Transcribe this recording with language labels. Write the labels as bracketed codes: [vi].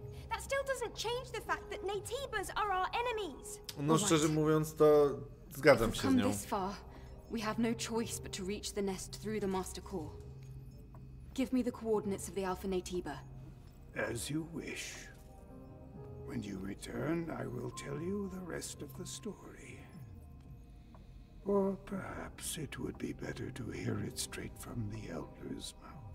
[en] That still doesn't change the fact that Nativas are our enemies. [pl] No szczerze mówiąc, to zgadzam się z nią. [en] This far, we have no choice but to reach the nest through the master core. Give me the coordinates of the Alpha Nativa. As you wish. When you return, I will tell you the rest of the story. Or perhaps it would be better to hear it straight from the elder's mouth.